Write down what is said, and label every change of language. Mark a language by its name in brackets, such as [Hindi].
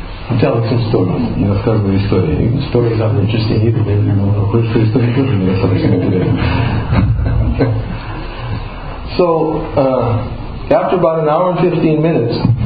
[English] I'm telling some stories. [Russian] Я рассказываю истории. [English] Stories are interesting. Either way, you know. [Russian] Кое-что истории тоже мне достаточно интересно. [English] So after about an hour and 15 minutes.